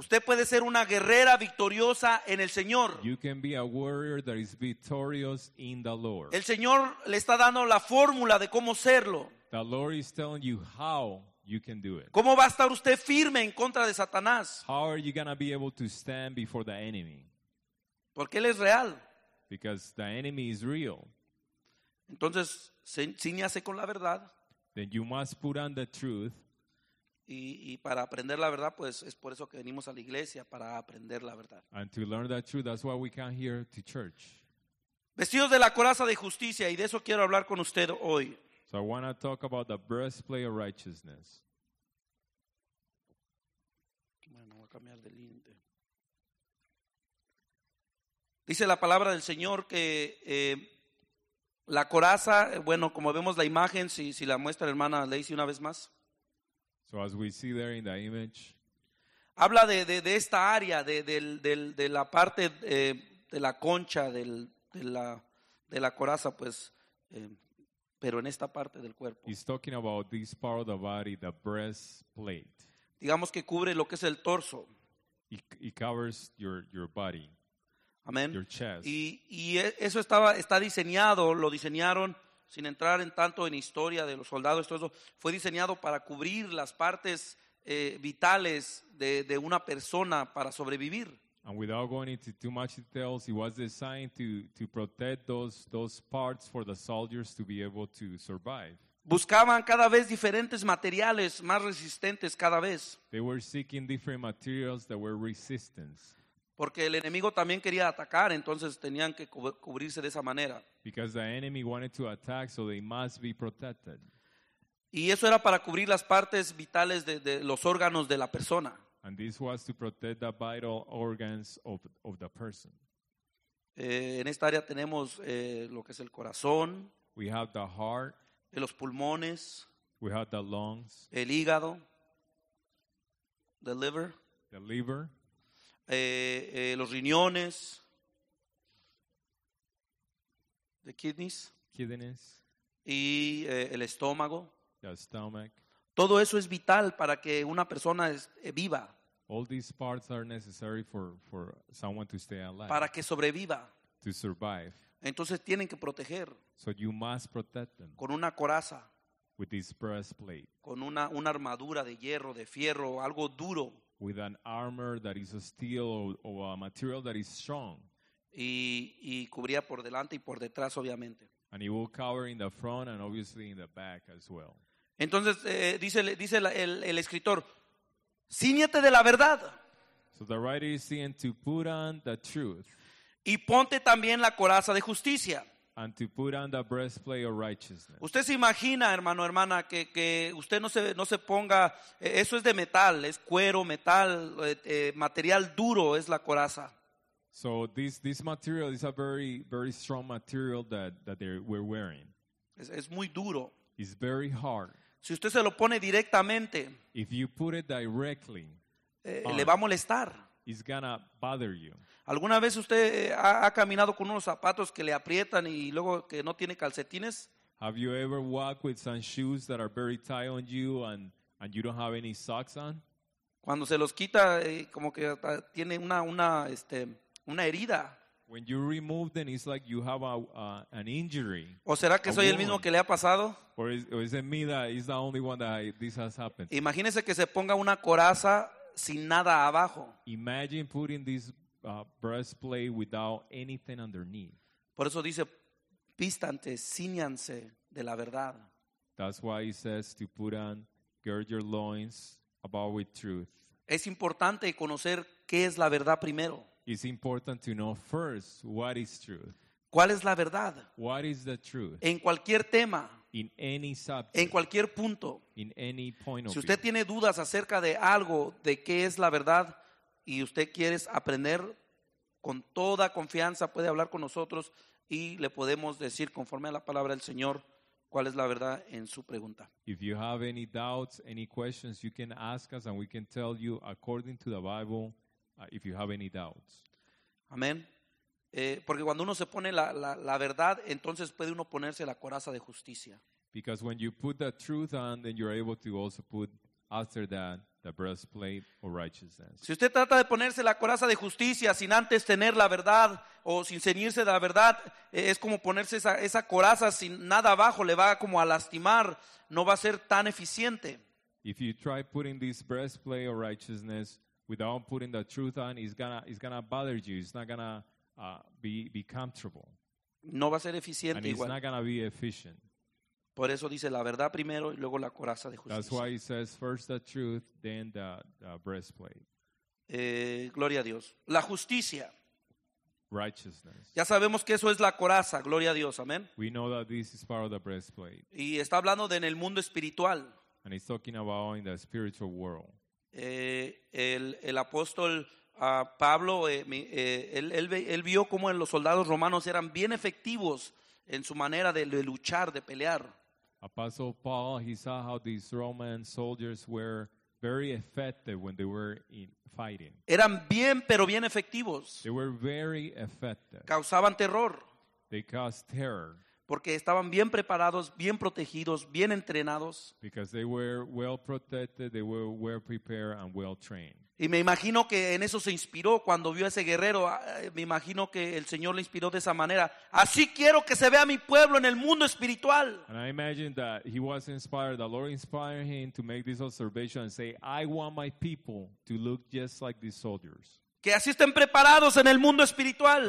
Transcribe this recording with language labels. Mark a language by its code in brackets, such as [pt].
[es] Usted puede ser una guerrera victoriosa en el Señor. [en] You can be a warrior that is victorious in the Lord. [es] El Señor le está dando la fórmula de cómo serlo. [en] The Lord is telling you how you can do it. [es] ¿Cómo va a estar usted firme en contra de Satanás? [en] How are you going to be able to stand before the enemy? [es] Porque él es real. [en] Because the enemy is real. [es] Entonces, ciñase con la verdad. [en] Then you must put on the truth. [es] Y para aprender la verdad, pues es por eso que venimos a la iglesia, para aprender la verdad. [en] And to learn that truth, that's why we come here to church. [es] Vestidos de la coraza de justicia, y de eso quiero hablar con usted hoy. [en] So I want to talk about the breastplate of righteousness. [es] Bueno, voy a cambiar de lente. Dice la palabra del Señor que la coraza, bueno, como vemos la imagen, si la muestra la hermana Lacey una vez más. [en] So as we see there in the image, [es] habla de esta área de la parte de la concha de la coraza, pues, pero en esta parte del cuerpo. [en] He's talking about this part of the body, the breastplate. [es] Digamos que cubre lo que es el torso. [en] It covers your body. Amen. Your chest. [es] Y eso está diseñado, lo diseñaron. Sin entrar en tanto en historia de los soldados, todo eso fue diseñado para cubrir las partes vitales de una persona para sobrevivir. [en] And without going into too much details, it was designed to protect those parts for the soldiers to be able to survive. [es] Buscaban cada vez diferentes materiales más resistentes cada vez. [en] They were seeking different materials that were resistant. [es] Porque el enemigo también quería atacar, entonces tenían que cubrirse de esa manera. [en] Because the enemy wanted to attack, so they must be protected. [es] Y eso era para cubrir las partes vitales de los órganos de la persona. [en] And this was to protect the vital organs of the person. [es] En esta área tenemos lo que es el corazón. [en] We have the heart. [es] Los pulmones. [en] We have the lungs. [es] El hígado. [en] The liver. The liver. [es] Los riñones, [en] the kidneys, [es] y el estómago, [en] the stomach. [es] Todo eso es vital para que una persona esté viva. [en] All these parts are necessary for someone to stay alive. [es] Para que sobreviva. [en] To survive. [es] Entonces tienen que proteger. [en] So you must protect them. [es] Con una coraza. [en] With this breastplate. [es] Con una armadura de hierro, de fierro, algo duro. [en] With an armor that is a steel or a material that is strong. [es] y cubría por delante y por detrás, obviamente. [en] And he will cover in the front and obviously in the back as well. [es] Entonces dice el escritor, cíñete de la verdad. [en] So the writer is saying to put on the truth. [es] Y ponte también la coraza de justicia. [en] And to put on the breastplate of righteousness. [es] Usted se imagina, hermano, hermana, que usted no se ponga, eso es de metal, es cuero, metal, material duro es la coraza. [en] So this material is a very, very strong material that we're wearing. [es] Es muy duro. [en] It's very hard. [es] Si usted se lo pone directamente, [en] if you put it directly, [es] le va a molestar. [en] It's gonna bother you. [es] ¿Alguna vez usted ha caminado con unos zapatos que le aprietan y luego que no tiene calcetines? [en] Have you ever walked with some shoes that are very tight on you and you don't have any socks on? [es] Cuando se los quita, como que tiene una herida. [en] When you remove them, it's like you have an injury. [es] ¿O será que soy el mismo que le ha pasado? [en] Or is it me that is the only one that this has happened? [es] Imagínese que se ponga una coraza sin nada abajo. [en] Imagine putting this breastplate without anything underneath. [es] Por eso dice, vístanse, cíñanse de la verdad. [en] That's why he says to put on, gird your loins about with truth. [es] Es importante conocer qué es la verdad primero. [en] It's important to know first what is truth. [es] ¿Cuál es la verdad? [en] What is the truth? [es] En cualquier tema. [en] In any subject, [es] en cualquier punto. [en] In any point of [es] si usted tiene dudas acerca de algo, de qué es la verdad, y usted quiere aprender, con toda confianza puede hablar con nosotros y le podemos decir conforme a la palabra del Señor cuál es la verdad en su pregunta. [en] If you have any doubts, any questions, you can ask us and we can tell you according to the Bible if you have any doubts. [es] Amén. Porque cuando uno se pone la verdad, entonces puede uno ponerse la coraza de justicia. [en] Because when you put the truth on, then you're able to also put after that the breastplate of righteousness. [es] Si usted trata de ponerse la coraza de justicia sin antes tener la verdad o sin ceñirse de la verdad, es como ponerse esa coraza sin nada abajo, le va como a lastimar, no va a ser tan eficiente. [en] If you try putting this breastplate of righteousness without putting the truth on, it's gonna bother you. It's not gonna be comfortable. [es] No va a ser eficiente. [en] And it's [es] igual. [en] Not gonna be efficient. [es] Por eso dice la verdad primero y luego la coraza de justicia. [en] That's why he says first the truth, then the breastplate. [es] Gloria a Dios. La justicia. [en] Righteousness. [es] Ya sabemos que eso es la coraza. Gloria a Dios. Amén. [en] We know that this is part of the breastplate. [es] Y está hablando de en el mundo espiritual. [en] And he's talking about in the spiritual world. [es] El apóstol Pablo, él vio cómo los soldados romanos eran bien efectivos en su manera de luchar, de pelear. [en] Apostle Paul, he saw how these Roman soldiers were very effective when they were in fighting. [es] Eran bien, pero bien efectivos. [en] They were very effective. [es] Causaban terror. [en] They caused terror. [es] Porque estaban bien preparados, bien protegidos, bien entrenados. [en] Because they were well protected, they were well prepared and well trained. [es] Y me imagino que en eso se inspiró cuando vio a ese guerrero. Me imagino que el Señor le inspiró de esa manera. Así quiero que se vea mi pueblo en el mundo espiritual. [en] And I imagine that he was inspired, the Lord inspired him to make this observation and say, I want my people to look just like these soldiers. [es] Que así estén preparados en el mundo espiritual.